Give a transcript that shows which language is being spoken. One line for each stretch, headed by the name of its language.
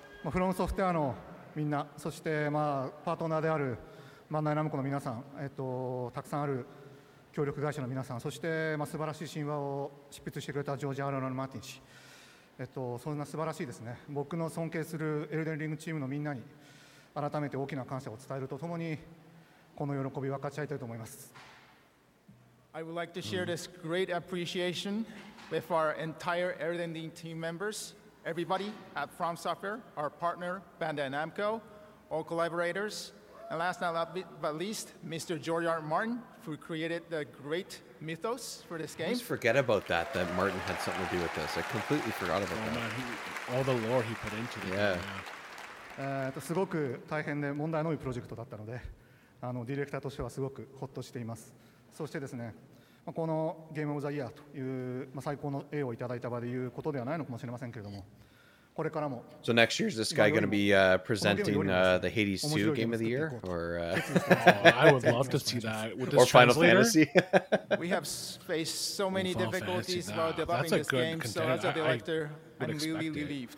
Japanese: フロムソフトウェアの みんな、そしてパートナーであるバンダイナムコの皆さん、たくさんある協力会社の皆さん、そしてま素晴らしい神話を執筆してくれたジョージ・アーロン・マーティン氏、そんな素晴らしいですね、僕の尊敬するエルデンリングチームのみんなに改めて大きな感謝を伝えるとともに、この喜びを分かち合いたいと思います。
English: I would like to share this great appreciation with our entire Elden Ring team members. Everybody at From Software, our partner, Bandai Namco, all collaborators, and last but least, Mr. George R. Martin, who created the great mythos for this game. I always forget about that, that Martin had something to do with this. I completely forgot about that. Man, all the lore he put into the game.
Japanese: すごく大変で問題の多いプロジェクトだったので、ディレクターとしてはすごくホッとしています。そしてですね、
English: So next year, is this guy going to be presenting the Hades 2 Game of the Year? Or, I would love to see that. With this or Final Fantasy? We have faced so many difficulties about developing this game, so as a director, I'm really relieved.